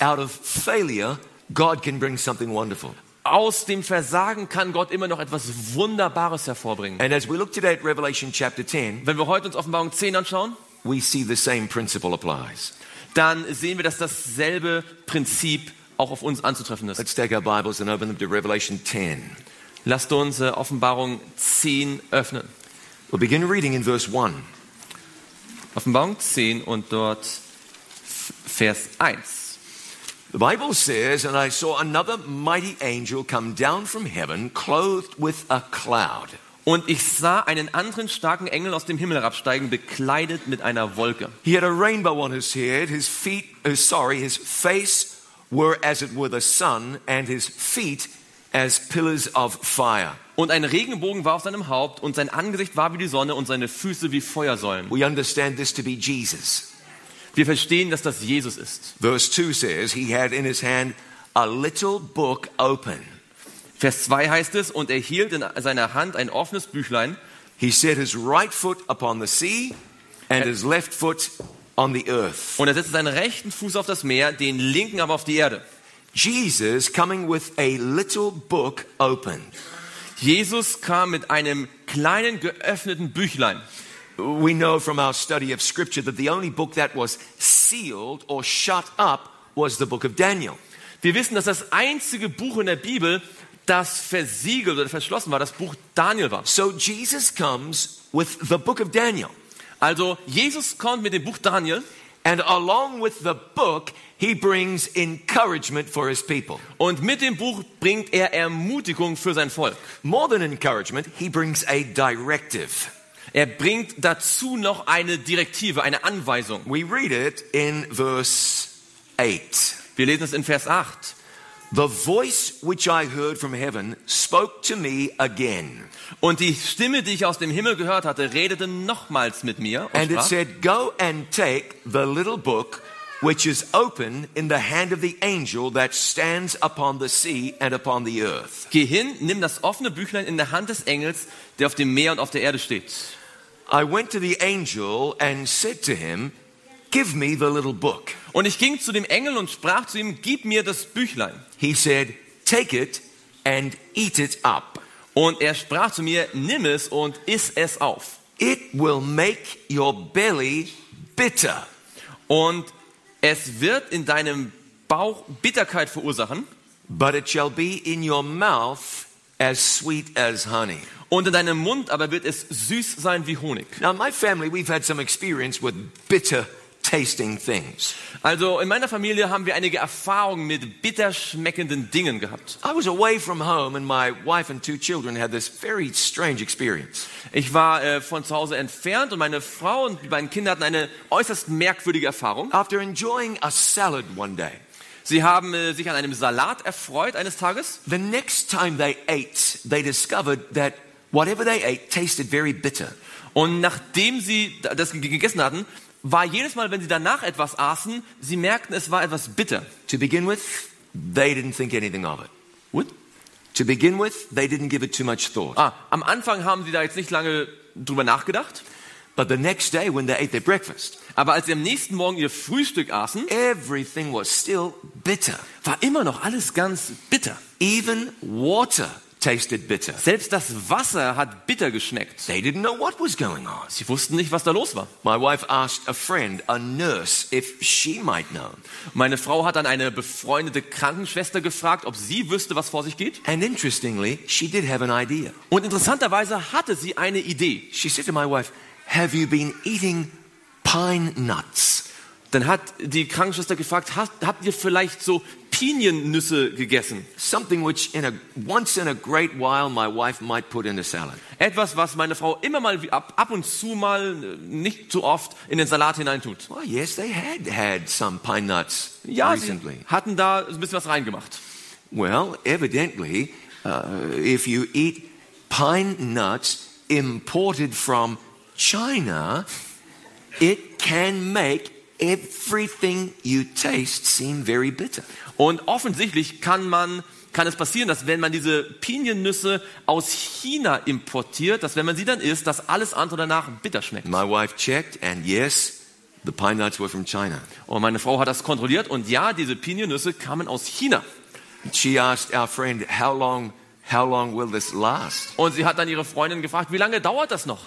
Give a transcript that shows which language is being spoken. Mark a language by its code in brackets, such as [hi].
[en] Out of failure, God can bring something wonderful. [de] Aus dem Versagen kann Gott immer noch etwas Wunderbares hervorbringen. [en] And as we look today at Revelation chapter 10, [de] wenn wir heute uns Offenbarung 10 anschauen, [en] we see the same principle applies. [de] Dann sehen wir, dass dasselbe Prinzip auch auf uns anzutreffen ist. [en] Let's take our Bibles and open them to Revelation 10. [de] Lasst uns Offenbarung 10 öffnen. [en] We'll begin reading in verse 1. [de] Offenbarung 10 und dort Vers 1. [en] The Bible says, and I saw another mighty angel come down from heaven, clothed with a cloud. [de] Und ich sah einen anderen starken Engel aus dem Himmel herabsteigen, bekleidet mit einer Wolke. [en] He had a rainbow on his head, his face were as it were the sun, and his feet as pillars of fire. [de] Und ein Regenbogen war auf seinem Haupt, und sein Angesicht war wie die Sonne, und seine Füße wie Feuersäulen. [en] We understand this to be Jesus. [de] Wir verstehen, dass das Jesus ist. [en] Verse 2 says he had in his hand a little book open. [de] Vers 2 heißt es, und er hielt in seiner Hand ein offenes Büchlein. [en] He set his right foot upon the sea and his left foot on the earth. [de] Und er setzte seinen rechten Fuß auf das Meer, den linken aber auf die Erde. [en] Jesus coming with a little book open. [de] Jesus kam mit einem kleinen geöffneten Büchlein. [en] We know from our study of scripture that the only book that was sealed or shut up was the book of Daniel. [de] Wir wissen, dass das einzige Buch in der Bibel, das versiegelt oder verschlossen war, das Buch Daniel war. [en] So Jesus comes with the book of Daniel. [de] Also Jesus kommt mit dem Buch Daniel. [en] And along with the book, he brings encouragement for his people. [de] Und mit dem Buch bringt er Ermutigung für sein Volk. [en] More than encouragement, he brings a directive. [de] Er bringt dazu noch eine Direktive, eine Anweisung. [en] We read it in verse 8. [de] Wir lesen es in Vers 8. [en] The voice which I heard from heaven spoke to me again. [de] Und die Stimme, die ich aus dem Himmel gehört hatte, redete nochmals mit mir. [en] And it said, go and take the little book which is open in the hand of the angel that stands upon the sea and upon the earth. [de] Geh hin, nimm das offene Büchlein in der Hand des Engels, der auf dem Meer und auf der Erde steht. [en] I went to the angel and said to him, give me the little book. [de] Und ich ging zu dem Engel und sprach zu ihm, gib mir das Büchlein. [en] He said, take it and eat it up. [de] Und er sprach zu mir, nimm es und iss es auf. [en] It will make your belly bitter. [de] Und es wird in deinem Bauch Bitterkeit verursachen. [en] But it shall be in your mouth as sweet as honey. [de] Und in deinem Mund aber wird es süß sein wie Honig. [en] Now my family, we've had some experience with bitter tasting things. [de] Also in meiner Familie haben wir einige Erfahrungen mit bitter schmeckenden Dingen gehabt. [en] I was away from home and my wife and two children had this very strange experience. [de] Ich war von zu Hause entfernt und meine Frau und die beiden Kinder hatten eine äußerst merkwürdige Erfahrung. [en] After enjoying a salad one day. [de] Sie haben sich an einem Salat erfreut eines Tages. [en] The next time they ate, they discovered that whatever they ate tasted very bitter. [de] Und nachdem sie das gegessen hatten, war jedes Mal, wenn sie danach etwas aßen, sie merkten, es war etwas bitter. [en] To begin with, they didn't think anything of it. What? To begin with, they didn't give it too much thought. [de] Ah, am Anfang haben sie da jetzt nicht lange drüber nachgedacht. [en] But the next day, when they ate their breakfast. [de] Aber als sie am nächsten Morgen ihr Frühstück aßen. [en] Everything was still bitter. [de] War immer noch alles ganz bitter. [en] Even water tasted bitter. [de] Selbst das Wasser hat bitter geschmeckt. [en] They didn't know what was going on. [de] Sie wussten nicht, was da los war. [en] My wife asked a friend, a nurse, if she might know. [de] Meine Frau hat dann eine befreundete Krankenschwester gefragt, ob sie wüsste, was vor sich geht. [en] And interestingly, she did have an idea. [de] Und interessanterweise hatte sie eine Idee. [en] She said to my wife, "Have you been eating pine nuts?" [de] Dann hat die Krankenschwester gefragt, habt ihr vielleicht so Piniennüsse gegessen? [en] Something which once in a great while my wife might put in a salad. [de] Etwas, was meine Frau immer mal ab und zu mal nicht zu oft in den Salat hineintut. [en] Well, yes, they had some pine nuts recently. [de] Ja, sie hatten da ein bisschen was reingemacht. [en] Well, evidently, if you eat pine nuts imported from China, it can make everything you taste seem very bitter. [de] Und offensichtlich kann es passieren, dass wenn man diese Piniennüsse aus China importiert, dass wenn man sie dann isst, dass alles andere danach bitter schmeckt. [en] My wife checked and yes, the pine nuts were from China. [de] Und meine Frau hat das kontrolliert und ja, diese Piniennüsse kamen aus China. [en] She asked our friend how long will this last? [de] Und sie hat dann ihre Freundin gefragt, wie lange dauert das noch?